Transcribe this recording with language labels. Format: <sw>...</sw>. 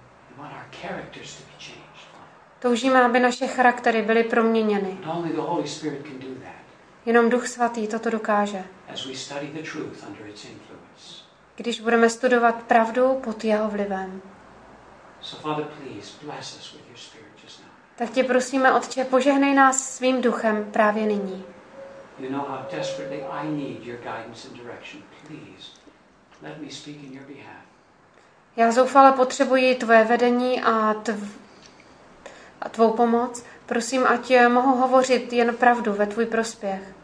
<en>We want our characters to be changed.</en> <cs>Toužíme, aby naše charaktery byly proměněny.</cs> <en>And only the Holy Spirit can do that.</en> <cs>Jenom Duch Svatý toto dokáže.</cs> <en>As we study the truth under its influence.</en> <cs>Když budeme studovat pravdu pod jeho vlivem.</cs> <en>So Father, please bless us with your spirit just now.</en> <cs>Tak tě prosíme, Otče, požehnej nás svým duchem právě nyní.</cs> <en>You know how desperately I need your guidance and direction. Please, let me speak in your behalf.</en> <cs>Já zoufale potřebuji tvoje vedení a tvou pomoc. Prosím, ať mohu hovořit jen pravdu ve tvůj prospěch.</cs>